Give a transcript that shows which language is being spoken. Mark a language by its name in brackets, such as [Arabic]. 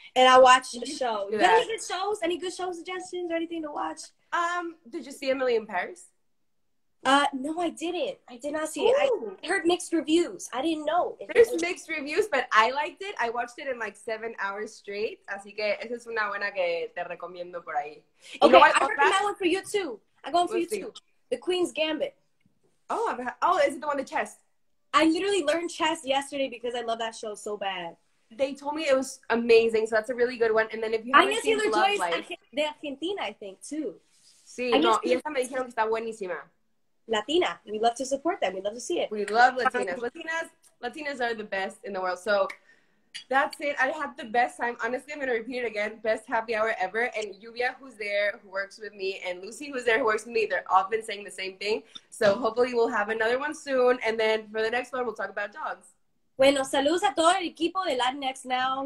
[English] And I watch the show. Yeah. Any good shows? Any good show suggestions or anything to watch? Did you see Emily in Paris? No, I didn't. I did not see Ooh. It. I heard mixed reviews. I didn't know. There's mixed reviews, but I liked it. I watched it in like 7 hours straight. [Spanish] Así que esa es una buena que te recomiendo por ahí. [English] Okay, I recommend that one for you too. I go on for we'll you see. Too. The Queen's Gambit. Oh, is it the one, the chess? I literally learned chess yesterday because I love that show so bad. They told me it was amazing, so that's a really good one. And then if you haven't seen Love Life, de Argentina, I think too. [Spanish] Sí, I no, y esa me dijeron que está buenísima. [English] Latina, we love to support them. We love to see it. We love Latinas. Latinas are the best in the world. So that's it. I had the best time. Honestly, I'm gonna repeat it again. Best happy hour ever. And Yuvia, who's there, who works with me, and Lucy, who's there, who works with me, they're all been saying the same thing. So hopefully, we'll have another one soon. And then for the next one, we'll talk about dogs. [Spanish] Bueno, saludos a todo el equipo de Latinx Now.